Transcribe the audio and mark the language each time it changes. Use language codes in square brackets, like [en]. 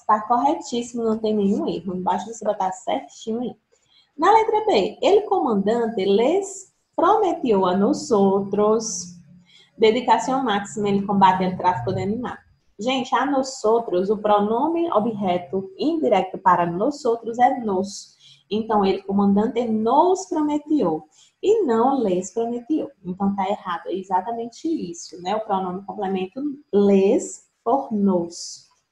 [pt] Está corretíssimo, não tem nenhum erro. Embaixo você botar certinho aí. Na letra B, [es] el comandante les prometió a nosotros dedicación máxima en el combate al tráfico de animales. [pt] Gente, a nós outros, o pronome objeto indireto para nós outros é nos. Então, ele, comandante, nos prometeu. E não lhes prometeu. Então, tá errado. É exatamente isso, né? O pronome complemento lhes por nos.